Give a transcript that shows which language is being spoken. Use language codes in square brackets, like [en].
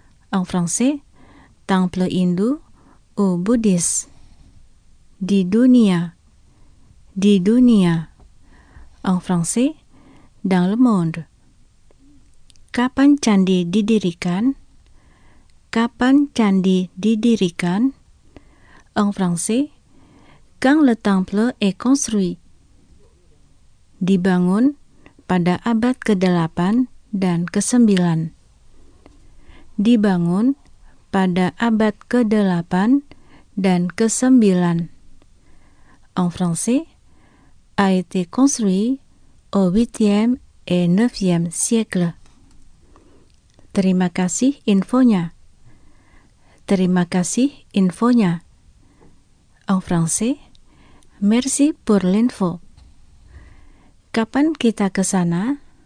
[fr] En français, temple Hindu ou bouddhiste. [id] Di dunia. Di dunia. [fr] En français, dans le monde. [id] Kapan candi didirikan? Kapan candi didirikan? [fr] En français, quand le temple est construit? [id] Dibangun pada abad ke-8 dan ke-9. Dibangun pada abad ke-8 dan ke-9. [fr] En français, a été construit au 8e et 9e siècle. [id] Terima kasih infonya. Terima kasih infonya. [fr] En français, merci pour l'info. [id] Kapan kita ke sana?